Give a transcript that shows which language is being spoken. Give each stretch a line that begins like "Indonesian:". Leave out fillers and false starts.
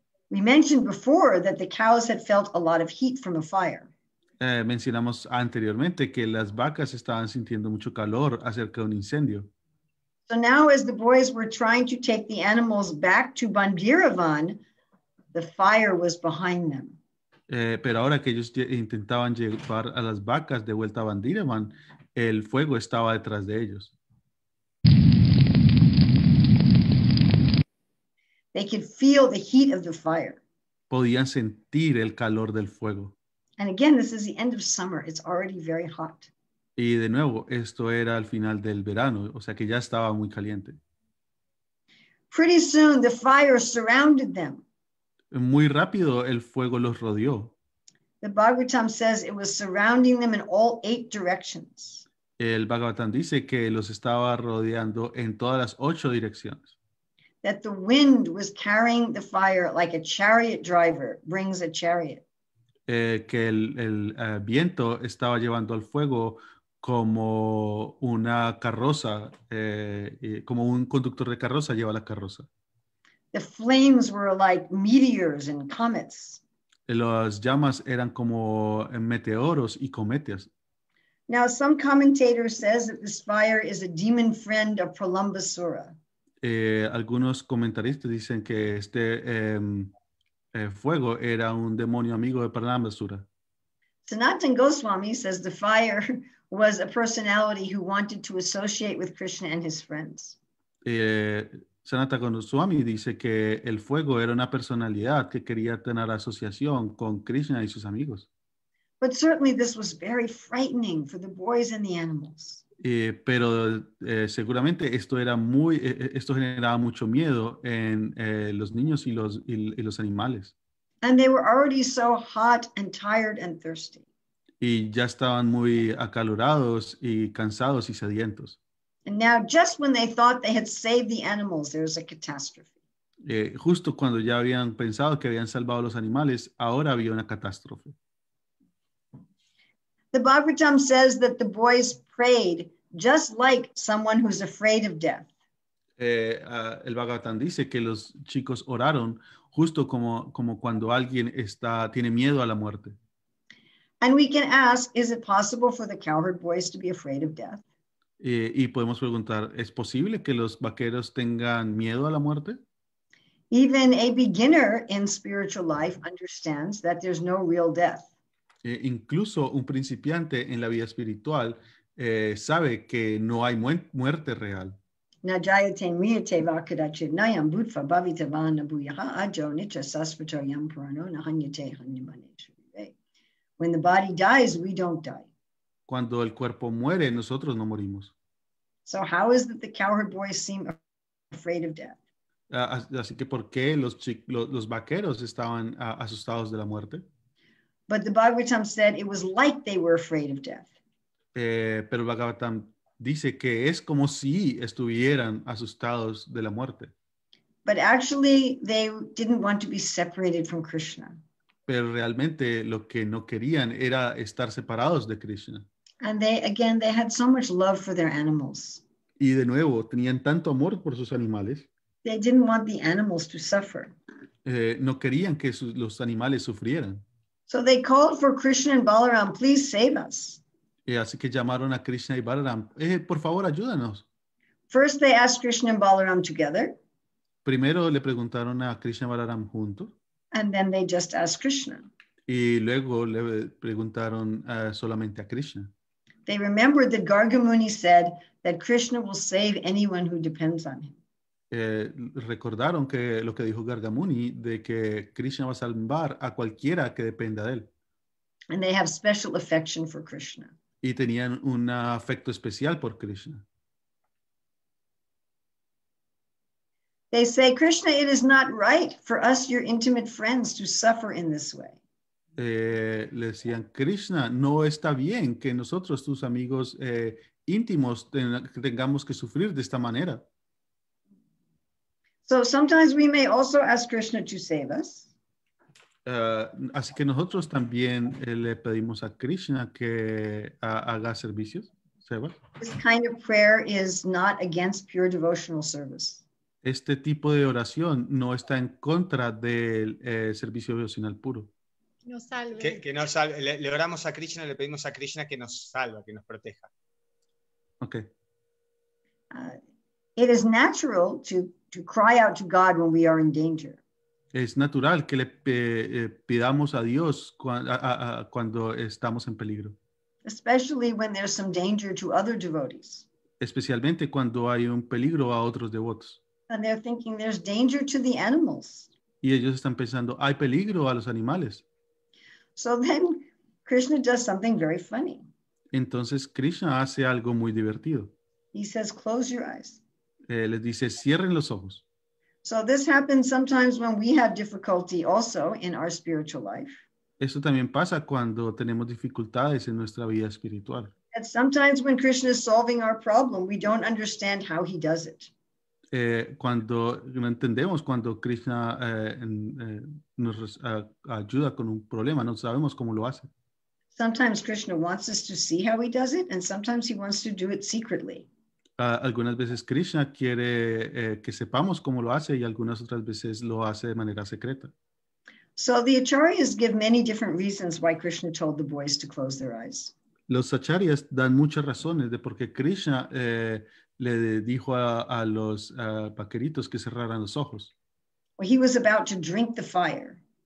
English: We mentioned before that the cows had felt a lot of heat from a fire.
Spanish: Mencionamos anteriormente que las vacas estaban sintiendo mucho calor acerca de un incendio.
English: So now as the boys were trying to take the animals back to Bandiravan, the fire was behind them.
Spanish: Pero ahora que ellos intentaban llevar a las vacas de vuelta a Bandiravan, el fuego estaba detrás de ellos.
English: They could feel the heat of the fire.
Spanish: Podían sentir el calor del fuego.
English: And again, this is the end of summer. It's already very hot.
Spanish: Y de nuevo, esto era al final del verano, o sea que ya estaba muy caliente.
English: Pretty soon, the fire surrounded them.
Spanish: Muy rápido, el fuego los rodeó.
English: The Bhagavatam says it was surrounding them in all 8 directions.
Spanish: El Bhagavatam dice que los estaba rodeando en todas las 8 direcciones.
English: That the wind was carrying the fire like a chariot driver brings a chariot.
Spanish: Que el viento estaba llevando al fuego como una carroza, como un conductor de carroza lleva la carroza.
English: The flames were like meteors and comets.
Spanish: Las llamas eran como meteoros y cometas.
English: Now some commentator says that this fire is a demon friend of Pralambasura.
Spanish: Algunos comentaristas dicen que este fuego era un demonio amigo de Pralambasura.
English: Sanatan Goswami says the fire was a personality who wanted to associate with Krishna and his friends.
Spanish: Sanatan Goswami dice que el fuego era una personalidad que quería tener asociación con Krishna y sus amigos.
English: But certainly this was very frightening for the boys and the animals.
Spanish: Pero seguramente esto generaba mucho miedo en los niños y los animales.
English: And they were already so hot and tired and thirsty.
Spanish: Y ya estaban muy acalorados y cansados y sedientos.
English: And now just when they thought they had saved the animals, there was a catastrophe.
Spanish: Justo cuando ya habían pensado que habían salvado los animales, ahora había una catástrofe.
English: The Bhagavatam says that the boys prayed just like someone who's afraid of death.
Spanish: El Bhagavatam dice que los chicos oraron justo como cuando alguien tiene miedo a la muerte.
English: And we can ask, is it possible for the cowherd boys to be afraid of death?
Spanish: Y podemos preguntar, ¿es posible que los vaqueros tengan miedo a la muerte?
English: Even a beginner in spiritual life understands that there's no real death.
Spanish: Incluso un principiante en la vida espiritual sabe que no hay muerte real.
Sanskrit: Najayate miyate vakadachit nayam bhutva bhavitavana buyaha ajo nicha sasvato yam prano nahanyate hanyamane.
English: When the body dies, we don't die.
Spanish: Cuando el cuerpo muere, nosotros no morimos.
English: So how is it the cowherd boys seem afraid of death?
Spanish: Así que ¿por qué los vaqueros estaban asustados de la muerte?
English: But the Bhagavatam said it was like they were afraid of death.
Spanish: Pero Bhagavatam dice que es como si estuvieran asustados de la muerte.
English: But actually, they didn't want to be separated from Krishna.
Spanish: Pero realmente lo que no querían era estar separados de Krishna.
English: And they, again, they had so much love for their animals.
Spanish: Y de nuevo, tenían tanto amor por sus animales.
English: They didn't want the animals to suffer.
Spanish: No querían que los animales sufrieran.
English: So they called for Krishna and Balaram, please save us.
Spanish: Así que llamaron a Krishna y Balaram, por favor, ayúdanos.
English: First they asked Krishna and Balaram together.
Spanish: Primero le preguntaron a Krishna y Balaram juntos.
English: And then they just asked Krishna.
Spanish: Y luego le preguntaron solamente a Krishna.
English: They remembered that Gargamuni said that Krishna will save anyone who depends on him.
Spanish: Recordaron que lo que dijo Gargamuni, de que Krishna va a salvar a cualquiera que dependa de él.
English: And they have special affection for Krishna.
Spanish: Y tenían un afecto especial por Krishna.
English: They say, Krishna, it is not right for us, your intimate friends, to suffer in this way.
Spanish: Le decían, Krishna, no está bien que nosotros, tus amigos íntimos, tengamos que sufrir de esta manera.
English: So sometimes we may also ask Krishna to save us.
Spanish: Así que nosotros también le pedimos a Krishna que haga servicios, seva.
English: This kind of prayer is not against pure devotional service.
Spanish: Este tipo de oración no está en contra del servicio devocional puro. Nos salve. Que nos salve. Le oramos a Krishna, le pedimos a Krishna que nos salva, que nos proteja.
English: Okay. It is natural to cry out to God when we are in danger.
Spanish: Es natural que le pidamos a Dios cuando estamos en peligro.
English: Especially when there's some danger to other devotees.
Spanish: Especialmente cuando hay un peligro a otros devotos.
English: And they're thinking there's danger to the animals.
Spanish: Y ellos están pensando, hay peligro a los animales.
English: So then Krishna does something very funny.
Spanish: Entonces Krishna hace algo muy divertido.
English: He says, close your eyes.
Spanish: Les dice, cierren los ojos.
English: So this happens sometimes when we have difficulty also in our spiritual life.
Spanish: Eso también pasa cuando tenemos dificultades en nuestra vida espiritual.
English: And sometimes when Krishna is solving our problem, we don't understand how he does it.
Spanish: Cuando no entendemos cuando Krishna nos ayuda con un problema, no sabemos cómo lo hace.
English: Sometimes Krishna wants us to see how he does it, and sometimes he wants to do it secretly.
Spanish: Algunas veces Krishna quiere que sepamos cómo lo hace y algunas otras veces lo hace de manera secreta.
English: So the acharyas give many different reasons why Krishna told the boys to close their eyes.
Spanish: Los acharyas dan muchas razones de por qué Krishna le dijo a los vaqueritos que cerraran los ojos.
English: Well, he was about to drink the fire.